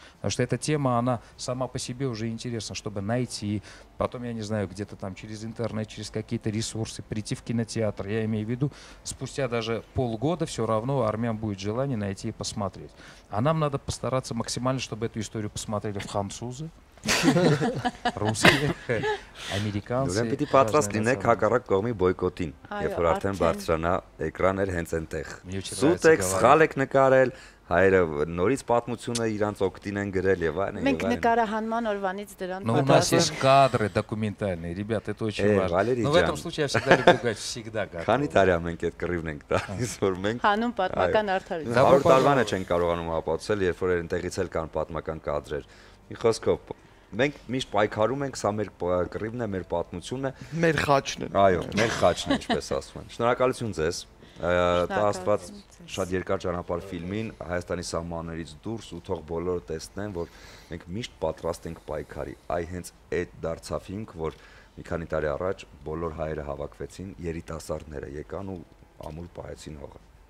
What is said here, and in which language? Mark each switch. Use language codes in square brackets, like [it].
[ru] Потому что эта тема, она сама по себе уже интересна, чтобы найти, потом, я не знаю, где-то там через интернет, через какие-то ресурсы прийти в кинотеатр. Я имею в виду, спустя даже полгода все равно армян будет желание найти и посмотреть. А нам надо постараться максимально, чтобы эту историю посмотрели французы, русские, американцы. [hy] Ուրեմն պիտի պատրաստ լինեք հակառակ կողմի բոյկոտին, երբ որ արդեն բարձրանա էկրաններ հենց այնտեղ։ Սուտեք, սխալ եք նկարել, հայերը նորից պատմությունը իրանց օգտին են գրել եւ այն։ Մենք նկարահանման օրվանից դրան պատրաստ ենք։ [ru] Ну, у нас есть кадры документальные, ребят, это очень важно. Но в этом случае я всегда люблю говорить, всегда готов. [hy] Քանի տարի մենք այդ կռիվն ենք տալիս, որ մենք Հանուն պատմական արդարություն։ 100 տարվանը չեն կարողանում ապացուցել, երբ որ այնտեղից էլ կան պատմական կադրեր։ Մի խոսքով, մենք միշտ պայքարում ենք, սա մեր կռիվն է, մեր պատմությունը, մեր խաչն է։ Այո, մեր խաչն է, ինչպես ասում են։ Շնորհակալություն ձեզ։ Տա աստված շատ երկար ճանապարհ ֆիլմին, Հայաստանի սահմաններից դուրս ու թող բոլորը տեսնեն, որ մենք միշտ պատրաստ ենք պայքարի։ Այ հենց այդ դարձավ հիմք, որ մի քանի տարի առաջ բոլոր հայերը հավաքվեցին, երիտասարդները եկան ու ամուր պահեցին հողը։